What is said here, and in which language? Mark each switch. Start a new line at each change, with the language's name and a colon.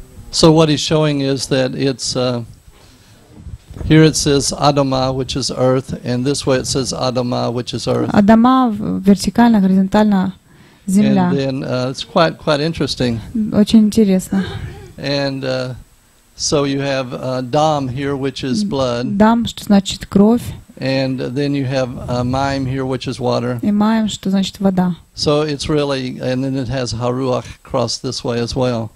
English: So what he's showing is that it's here it says Adama, which is earth, and this way it says Adama, which is earth.
Russian: Адама вертикально, горизонтально земля.
English: And then it's quite interesting.
Russian: Очень интересно.
English: And so you have dam here, which is blood.
Russian: Дам, что значит кровь.
English: And then you have maim here, which is water.
Russian: И маим, что значит вода.
English: So it's really, and then it has haruach across this way as well.